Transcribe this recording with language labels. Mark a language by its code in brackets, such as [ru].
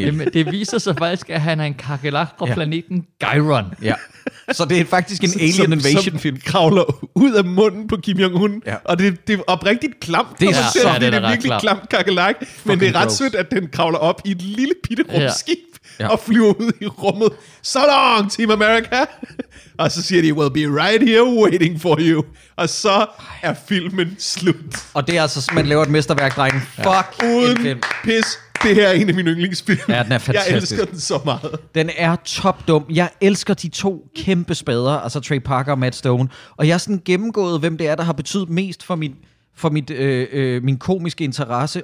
[da] Jamen, det viser sig faktisk, at han er en kakelak fra planeten Gyron. Ja. Så det er faktisk en alien invasion film. Kravler ud af munden på Kim Jong-un, og det er oprigtigt klamt. Det er ja, det er virkelig klamt kakelak, men det er ret sødt, at den kravler op i et lille bitte rumskib og flyver ud i rummet. [en] So long, Team America! [da] Og så siger de, [en] we'll be right here waiting for you. [da] Og så er filmen slut. Og det er altså, man laver et mesterværk, drengen. Fuck, uden pis. Det her er en af mine yndlingsfilm. Ja, den er fantastisk. Jeg elsker den så meget. Den er topdum. Jeg elsker de to kæmpe spader, altså Trey Parker og Matt Stone. Og jeg har sådan gennemgået, hvem det er, der har betydet mest for min komiske interesse.